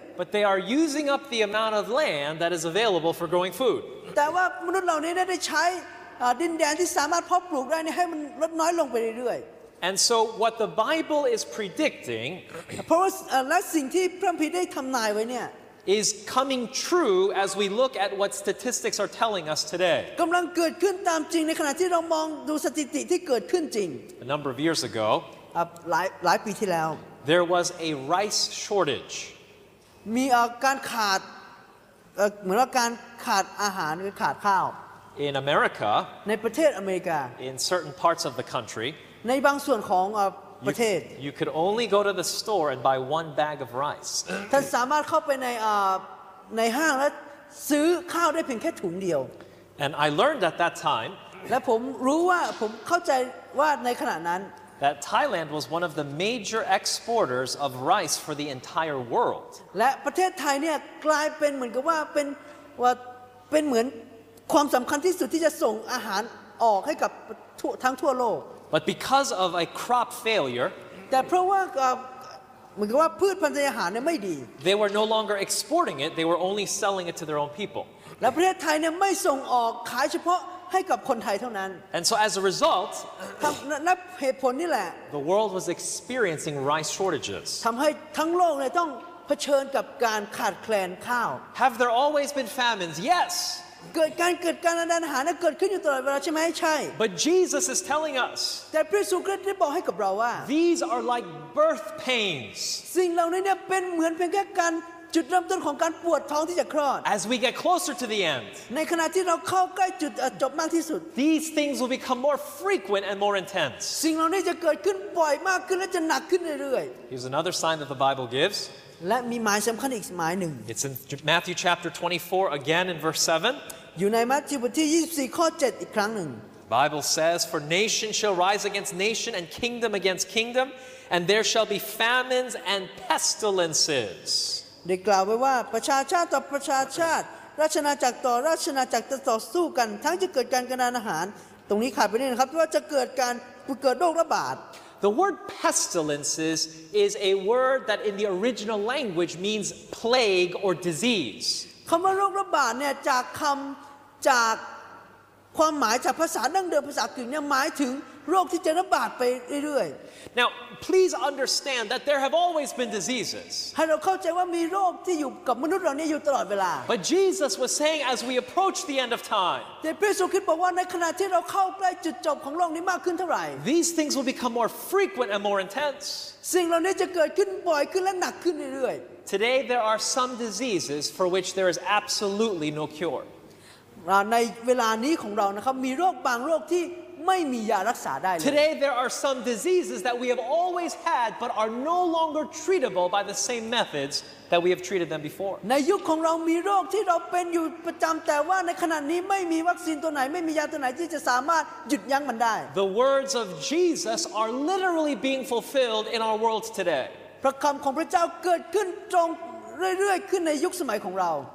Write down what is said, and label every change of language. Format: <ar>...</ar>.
<en>ๆ But they are using up the amount of land that is available for growing food</en> <th>แต่ว่ามนุษย์เหล่านี้ได้ใช้ดินแดนที่สามารถเพาะปลูกได้ให้มันลดน้อยลงไปเรื่อยๆ</th> <en>And so what the Bible is predicting</en> <th>เพราะว่าและสิ่งที่พระคัมภีร์ได้ทำนายไว้เนี่ย</th> <en>Is coming true as we look at what statistics are telling us today.</en> <th>กำลังเกิดขึ้นตามจริงในขณะที่เรามองดูสถิติที่เกิดขึ้นจริง</th> <en>A number of years ago,</en> <th>หลายปีที่แล้ว</th> <en>there was a rice shortage.</en> <th>มีการขาดเหมือนว่าการขาดอาหารหรือขาดข้าว</th> <en>In America,</en> <th>ในประเทศอเมริกา</th> <en>in certain parts of the country,</en> <th>ในบางส่วนของ</th> <en>You could only go to the store and buy one bag of rice.</en> <th>ท่านสามารถเข้าไปในห้างแล้วซื้อข้าวได้เพียงแค่ถุงเดียว</th> <en>And I learned at that time.</en> <th>และผมรู้ว่าผมเข้าใจว่าในขณะนั้น</th> <en>That Thailand was one of the major exporters of rice for the entire world.</en> <th>และประเทศไทยเนี่ยกลายเป็นเหมือนกับว่าเป็นเหมือนความสำคัญที่สุดที่จะส่งอาหารออกให้กับทั้งทั่วโลก</th> <en>But because of a crop failure,</en> <th>แต่เพราะว่าเหมือนกับว่าพืชพันธุ์อาหารเนี่ยไม่ดี</th> <en>They were no longer exporting it; they were only selling it to their own people.</en> <th>และประเทศไทยเนี่ยไม่ส่งออกขายเฉพาะ ให้กับคนไทยเท่านั้น</th> <en>And so as a result</en> <th>และเหตุผลนี่แหละ</th> <en>The world was experiencing rice shortages</en> <th>ทำให้ทั้งโลกเลยต้องเผชิญกับการขาดแคลนข้าว</th> <en>Have there always been famines? Yes</en> <th>เกิดการเกิดการระดับอาหารเกิดขึ้นอยู่ตลอดเวลาใช่ไหมใช่</th> <en>But Jesus is telling us</en> <th>แต่พระเยซูคริสต์ได้บอกให้กับเราว่า</th> <en>These are like birth pains</en> <th>สิ่งเหล่านี้เนี่ยเป็นเหมือนเพียงแค่การจุดเริ่มต้นของการปวดท้องที่จะคลอด</th> <en>As we get closer to the end</en> <th>ในขณะที่เราเข้าใกล้จุดจบมากที่สุด</th> <en>These things will become more frequent and more intense</en> <th>สิ่งเหล่านี้จะเกิดขึ้นบ่อยมากขึ้นและจะหนักขึ้นเรื่อย</th> <en>Here's another sign that the Bible gives</en> <th>และมีหมายสำคัญอีกหมายหนึ่ง</th> <en>It's in Matthew chapter 24 again in verse 7</en> <th>อยู่ในมัทธิวบทที่24ข้อ7อีกครั้งหนึ่ง</th> <en>Bible says for nation shall rise against nation and kingdom against kingdom and there shall be famines and pestilences</en> <th>ได้กล่าวไว้ว่าประชาชาติต่อประชาชาติราชนาจักรต่อราชนาจักรจะต่อสู้กันทั้งจะเกิดการกระนานอาหารตรงนี้ขาดไปนี่นะครับว่าจะเกิดการเกิดโรคระบาด</th> <en>The word pestilences is a word that in the original language means plague or disease</en> <th>คำว่าโรคระบาดเนี่ยจากคำจากความหมายจากภาษาดั้งเดิมภาษากรีกเนี่ยหมายถึงโรคที่จะระบาดไปเรื่อย</th> <en>Now please understand that there have always been diseases.</en> <th>ให้เราเข้าใจว่ามีโรคที่อยู่กับมนุษย์เราเนี่ยอยู่ตลอดเวลา</th> <en>But Jesus was saying as we approach the end of time.</en> <th>แต่พระเยซูคริสต์บอกว่าในขณะที่เราเข้าใกล้จุดจบของโลกนี้มากขึ้นเท่าไหร่</th> <en>These things will become more frequent and more intense.</en> <th>สิ่งเหล่านี้จะเกิดขึ้นบ่อยขึ้นและหนักขึ้นเรื่อย</th> <en>Today there are some diseases for which there is absolutely no cure.</en> <th>ในเวลานี้ของเรานะครับมีโรคบางโรคที่ไม่มียารักษาได้เลย</th> <en>Today there are some diseases that we have always had but are no longer treatable by the same methods that we have treated them before</en> <th>ในยุคของเรามีโรคที่เราเป็นอยู่ประจำแต่ว่าในขณะนี้ไม่มีวัคซีนตัวไหนไม่มียาตัวไหนที่จะสามารถหยุดยั้งมันได้</th> <en>The words of Jesus are literally being fulfilled in our world today</en> <th>พระคำของพระเจ้าเกิดขึ้นตรงเรื่อยๆขึ้นในยุคสมัยของเรา</th>